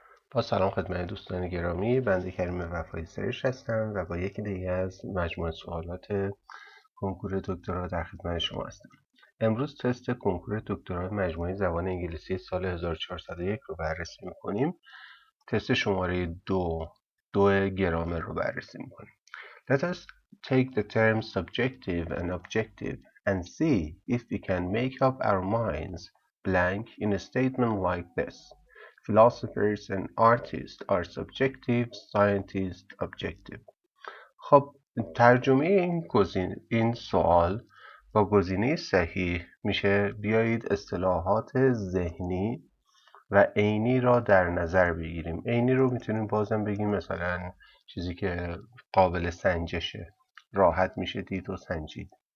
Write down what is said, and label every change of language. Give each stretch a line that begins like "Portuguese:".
Persian: با سلام خدمت دوستان گرامی، بنده کریم وفای سرش هستم و با یک دیگه از مجموعه سوالات کنکور دکترا در خدمت شما هستم. امروز تست کنکور دکترا مجموعه زبان انگلیسی سال 1401 رو بررسی میکنیم. تست شماره دو گرامر رو بررسی میکنیم.
English: Let us take the terms subjective and objective and see if we can make up our minds blank in a statement like this. Philosophers and artists are subjective, scientists objective.
Persian: خب ترجمه این سوال با گزینه صحیح میشه بیایید اصطلاحات ذهنی و عینی را در نظر بگیریم. عینی رو میتونیم بازم بگیم مثلا چیزی که قابل سنجشه، راحت میشه دید و سنجید.